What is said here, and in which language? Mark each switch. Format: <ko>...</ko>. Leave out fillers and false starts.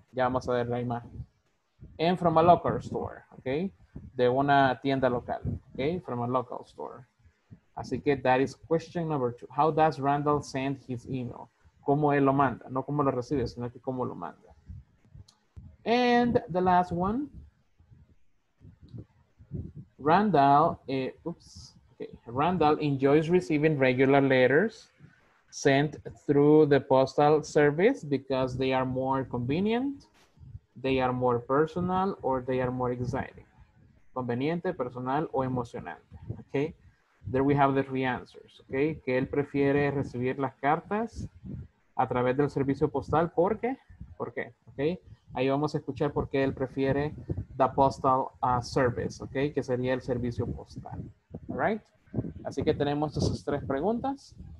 <es>Ya vamos a ver la imagen.</es> <en>And from a local store,</en> <es>okay? De una tienda local,</es> <en>okay? From a local store.</en> <es>Así que</es> <en>that is question number two. How does Randall send his email?</en> <es>¿Cómo él lo manda? No cómo lo recibe, sino que cómo lo manda.</es> <en>And the last one. Randall, Randall enjoys receiving regular letters sent through the postal service because they are more convenient, they are more personal, or they are more exciting.</en> <es>Conveniente, personal, o emocionante.</es> <en>Okay, there we have the three answers.</en> <es>Okay, que él prefiere recibir las cartas a través del servicio postal. ¿Por qué? ¿Por qué? Okay, ahí vamos a escuchar por qué él prefiere</es> <en>the postal service.</en> <es>Okay, que sería el servicio postal.</es> <en>All right,</en> <es>así que tenemos esas tres preguntas.</es>